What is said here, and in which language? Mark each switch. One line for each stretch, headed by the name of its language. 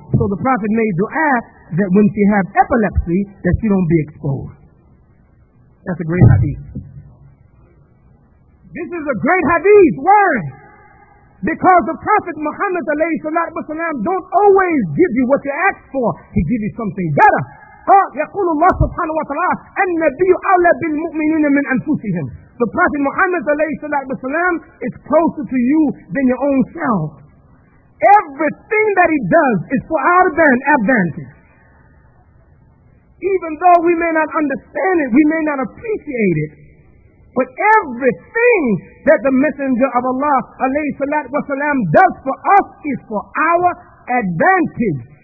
English: So the Prophet made dua that when she has epilepsy, that she don't be exposed. That's a great hadith. This is a great hadith. Why? Because the Prophet Muhammad alayhi salatu wasalam don't always give you what you ask for. He gives you something better.
Arabic: يقول الله سبحانه وتعالى النبي أولى بالمؤمنين من أنفسهم.
English: The Prophet Muhammad والسلام, is closer to you than your own self. Everything that he does is for our advantage. Even though we may not understand it, we may not appreciate it, but everything that the Messenger of Allah والسلام, does for us is for our advantage.